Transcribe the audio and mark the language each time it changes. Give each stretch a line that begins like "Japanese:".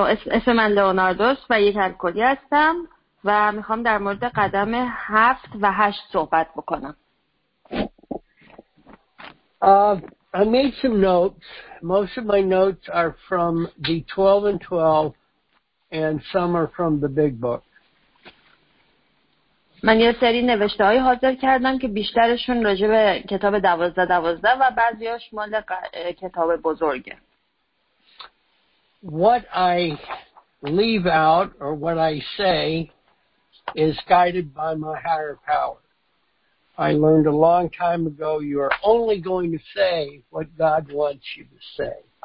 Persian: اسم من لئوناردوس و یک الکلی هستم و میخوام در مورد قدم 7 و 8 صحبت بکنم.
English: I made some notes. Most of my notes are from the 12 and 12, and some are from the big book.
Persian: من یه سری نوشته‌های حاضر کردم که بیشترشون راجع به کتاب 12-12 و بعضی‌هاش مال کتاب بزرگه.
English: What I leave out or what I say is guided by my higher power. I learned a long time ago you are only going to say what God wants you to say.